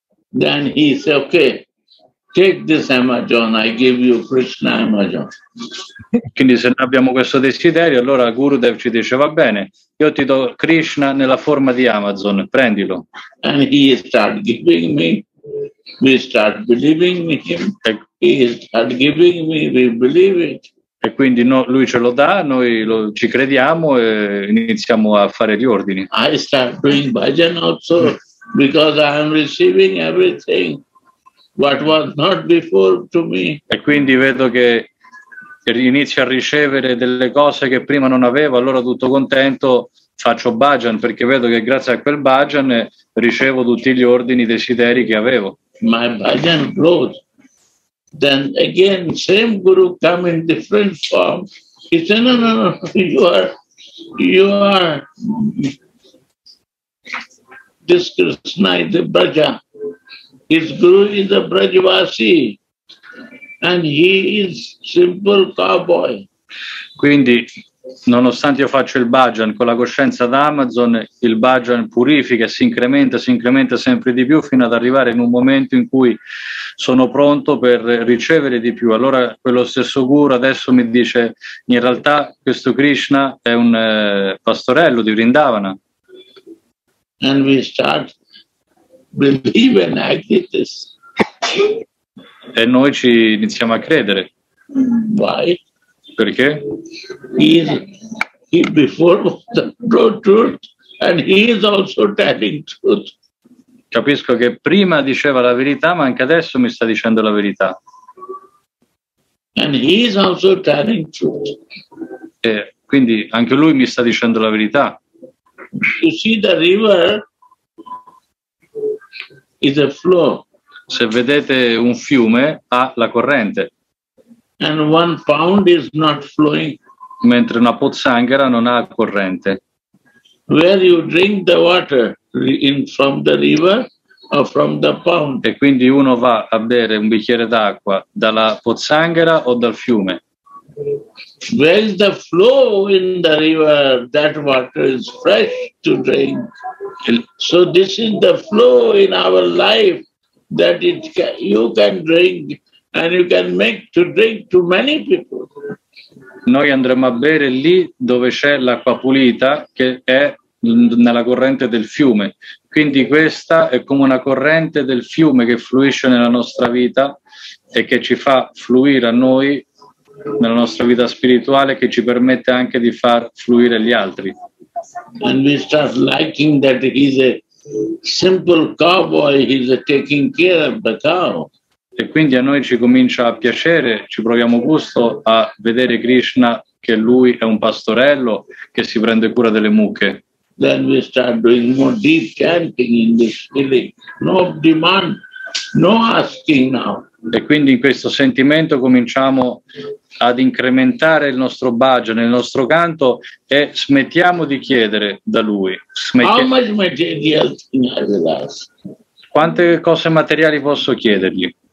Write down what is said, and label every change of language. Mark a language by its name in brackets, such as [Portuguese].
[English] Then he said, ok, take this Amazon, I give you Krishna Amazon. [Italian] Quindi se noi abbiamo questo desiderio, allora Gurudev ci dice, va bene, io ti do Krishna nella forma di Amazon, prendilo. [English] And he start giving me, we start believing him, he start giving me, we believe it. [Italian] E quindi no, lui ce lo dà, noi lo, ci crediamo e iniziamo a fare gli ordini. [English] I start doing bhajan also because I am receiving everything what was not before to me. [Italian] E quindi vedo che inizio a ricevere delle cose che prima non avevo, allora tutto contento faccio bhajan, perché vedo che grazie a quel bhajan ricevo tutti gli ordini, i desideri che avevo. [English] My bhajan grows. Then again, same guru come in different form. He said, no, no, no, you are this Krishna is a Braja. His guru is a Brajavasi. And he is simple cowboy. [Italian] Quindi, nonostante io faccio il bhajan con la coscienza da Amazon, il bhajan purifica, si incrementa sempre di più fino ad arrivare in un momento in cui sono pronto per ricevere di più. Allora quello stesso guru adesso mi dice, in realtà questo Krishna è un pastorello di Vrindavana. [English] And we start believing like this. [Italian] E noi ci iniziamo a credere. [English] Why? [Italian] Perché? [English] He before the truth and he is also telling truth. [Italian] Capisco che prima diceva la verità, ma anche adesso mi sta dicendo la verità. [English] And he is also telling truth. [Italian] E quindi anche lui mi sta dicendo la verità. [English] You see the river is a flow. [Italian] Se vedete un fiume ha la corrente. [English] And one pound is not flowing. [Italian] Mentre una pozzanghera non ha corrente. [English] Where you drink the water in from the river or from the pound? [Italian] E quindi uno va a bere un bicchiere d'acqua dalla pozzanghera o dal fiume? [English] Where is the flow in the river? That water is fresh to drink. So this is the flow in our life that it can, you can drink. And you can make to drink to many people. [Italian] Noi andremo a bere lì dove c'è l'acqua pulita che è nella corrente del fiume. Quindi questa è come una corrente del fiume che fluisce nella nostra vita e che ci fa fluire a noi nella nostra vita spirituale, che ci permette anche di far fluire gli altri. [English] And we start liking that he's a simple cowboy, he's taking care of the cow. [Italian] E quindi a noi ci comincia a piacere, ci proviamo gusto a vedere Krishna che lui è un pastorello che si prende cura delle mucche. [English] Then we start doing more deep chanting in this feeling. No demand, no asking now. [Italian] E quindi in questo sentimento cominciamo ad incrementare il nostro bhajan, il nostro canto, e smettiamo di chiedere da lui. [English] How much material thing I will ask? [Italian] Quante cose materiali posso chiedergli?